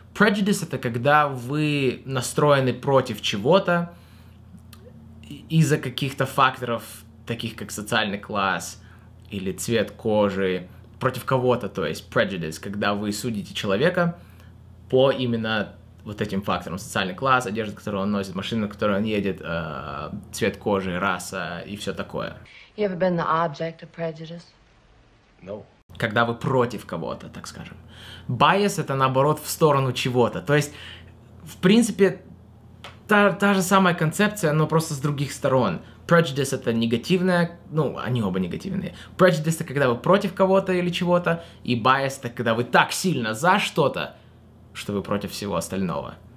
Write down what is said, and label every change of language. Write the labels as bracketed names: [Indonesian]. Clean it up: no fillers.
[Russian] Prejudice — это когда вы настроены против чего-то из-за каких-то факторов, таких как социальный класс или цвет кожи, против кого-то, то есть prejudice, когда вы судите человека по именно вот этим фактором: социальный класс, одежда, которую он носит, машина, на которой он едет, цвет кожи, раса и все такое. [English] You ever been the object of prejudice? No. [Russian] Когда вы против кого-то, так скажем. Bias — это наоборот в сторону чего-то. То есть, в принципе, та же самая концепция, но просто с других сторон. Prejudice — это негативное, ну, они оба негативные. Prejudice — это когда вы против кого-то или чего-то, и bias — это когда вы так сильно за что-то, что вы против всего остального.